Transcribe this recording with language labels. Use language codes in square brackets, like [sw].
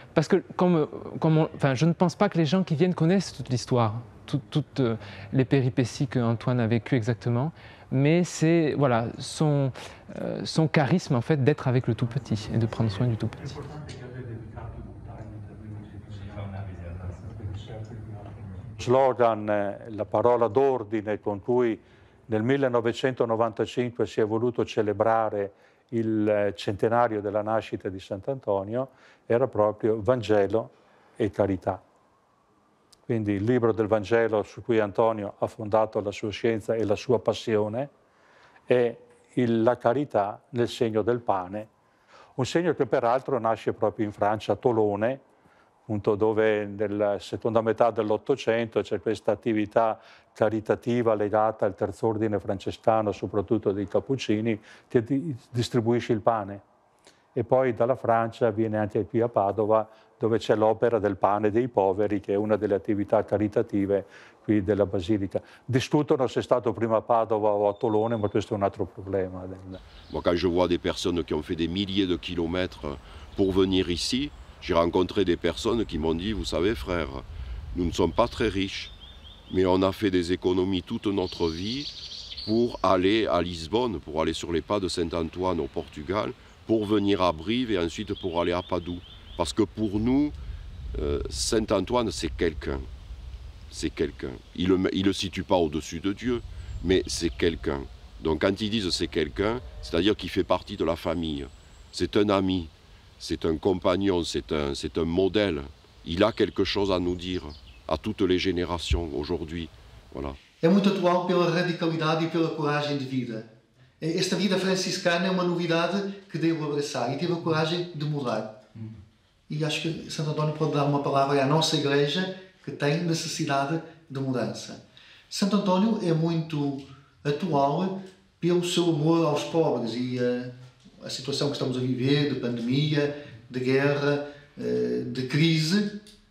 [fr] Parce que je ne pense pas que les gens qui viennent connaissent toute l'histoire, toutes les péripéties qu'Antoine a vécues exactement, mais c'est voilà, son charisme en fait, d'être avec le tout petit et de prendre soin du tout petit. [it] Slogan, la parola d'ordine con cui nel 1995 si è voluto celebrare il centenario della nascita di Sant'Antonio era proprio Vangelo e carità. Quindi il libro del Vangelo su cui Antonio ha fondato la sua scienza e la sua passione è la carità nel segno del pane, un segno che peraltro nasce proprio in Francia, a Tolone, appunto dove nella seconda metà dell'Ottocento c'è questa attività caritativa legata al terzo ordine francescano, soprattutto dei Cappuccini, che distribuisce il pane. E poi dalla Francia viene anche qui a Padova, dove c'è l'opera del pane dei poveri, che è una delle attività caritative qui della Basilica. Discutono se è stato prima a Padova o a Tolone, ma questo è un altro problema. [fr] Moi, quand je vois des personnes qui ont fait des milliers de kilomètres pour venir ici, j'ai rencontré des personnes qui m'ont dit, vous savez frère, nous ne sommes pas très riches, mais on a fait des économies toute notre vie pour aller à Lisbonne, pour aller sur les pas de Saint-Antoine au Portugal, pour venir à Brive et ensuite pour aller à Padoue. Parce que pour nous, Saint-Antoine, c'est quelqu'un. C'est quelqu'un. Il le situe pas au-dessus de Dieu, mais c'est quelqu'un. Donc quand ils disent c'est quelqu'un, c'est-à-dire qu'il fait partie de la famille. C'est un ami, c'est un compagnon, c'est un modèle. Il a quelque chose à nous dire, à toutes les générations, aujourd'hui. Voilà. C'est très actuel par la radicalité et par le courage de vivre. [pt] Esta vida franciscana é uma novidade que devo abraçar e tive a coragem de mudar. E acho que Santo António pode dar uma palavra à nossa Igreja que tem necessidade de mudança. Santo António é muito atual pelo seu amor aos pobres e a situação que estamos a viver, de pandemia, de guerra, de crise.